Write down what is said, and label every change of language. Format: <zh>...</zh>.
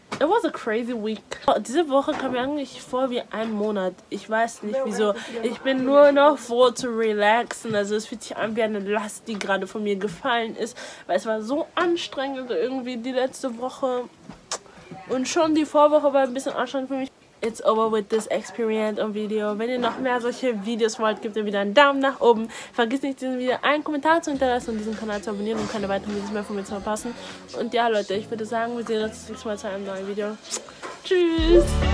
<en>It was a crazy week.</en> <de>Diese Woche kam mir eigentlich vor wie ein Monat. Ich weiß nicht wieso. Ich bin nur noch froh zu relaxen. Also es fühlt sich an wie eine Last, die gerade von mir gefallen ist. Weil es war so anstrengend irgendwie die letzte Woche. Und schon die Vorwoche war ein bisschen anstrengend für mich.</de> <en>It's over with this experience</en> <de>und Video. Wenn ihr noch mehr solche Videos wollt, gebt mir wieder einen Daumen nach oben. Vergiss nicht, diesem Video einen Kommentar zu hinterlassen und diesen Kanal zu abonnieren, um keine weiteren Videos mehr von mir zu verpassen. Und ja, Leute, ich würde sagen, wir sehen uns nächstes Mal zu einem neuen Video. Tschüss!</de>